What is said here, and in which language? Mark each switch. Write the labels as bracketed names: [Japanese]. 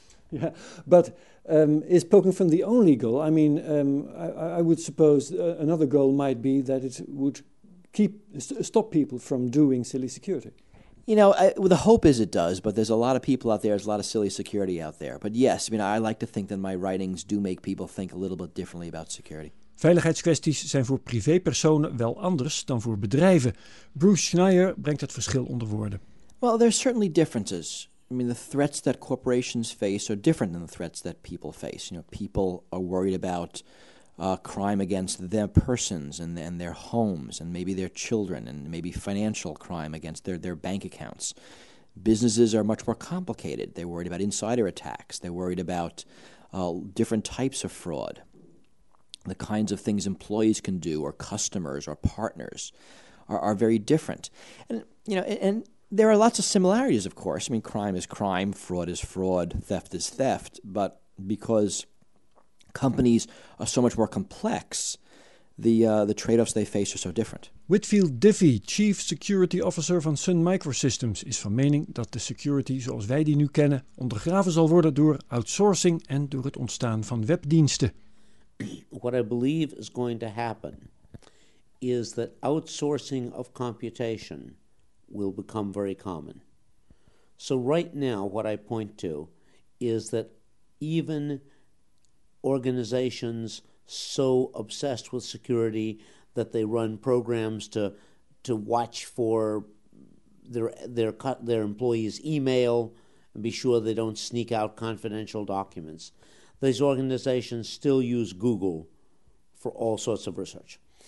[English] Yeah, but is poking fun the only goal? I mean, I would suppose another goal might be that it would stop people from doing silly security. You know, the hope is it does, but there's a lot of people out there, there's a lot of silly security out there. But yes, I mean, I like to think that my writings do make people think a little bit differently about security. [Dutch] Veiligheidskwesties zijn voor privépersonen wel anders dan voor bedrijven. Bruce Schneier brengt het verschil onder woorden. [English] Well, there are certainly differences. I mean, the threats that corporations face are different than the threats that people face. You know, people are worried about crime against their persons and their homes and maybe their children and maybe financial crime against their bank accounts. Businesses are much more complicated. They're worried about insider attacks. They're worried about different types of fraud. The kinds of things employees can do or customers or partners are very different. And, you know, and there are lots of similarities, of course. I mean, crime is crime, fraud is fraud, theft is theft. But because companies are so much more complex, the trade-offs they face are so different. [Dutch] Whitfield Diffie, Chief Security Officer van Sun Microsystems, is van mening dat de security zoals wij die nu kennen ondergraven zal worden door outsourcing en door het ontstaan van webdiensten. [English] What I believe is going to happen is that outsourcing of computation will become very common. So right now, what I point to is that even organizations so obsessed with security that they run programs to watch for their employees' email and be sure they don't sneak out confidential documents, these organizations still use Google for all sorts of research.